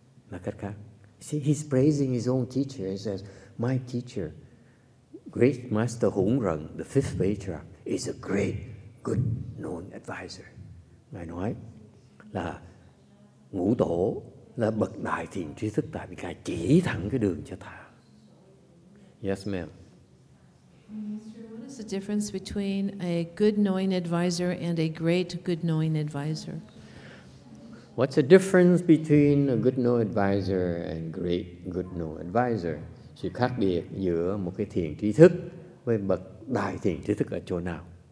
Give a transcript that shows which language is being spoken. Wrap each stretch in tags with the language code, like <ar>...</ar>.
<vi>Nói cách khác.</vi> <en>See, he's praising his own teacher. He says, my teacher, great master Hùng Rần, the fifth patriarch, is a great, good, known advisor.</en> <vi>Ngài nói là Ngũ Tổ là bậc đại thiện tri thức tại vì Ngài chỉ thẳng cái đường cho ta.</vi> <en>Yes, ma'am. What is the difference between a good knowing advisor and a great good knowing advisor? What's the difference between a good knowing advisor and great good knowing advisor?</en> <vi>Sự khác biệt giữa một cái thiền trí thức với bậc đại thiền trí thức ở chỗ nào?</vi>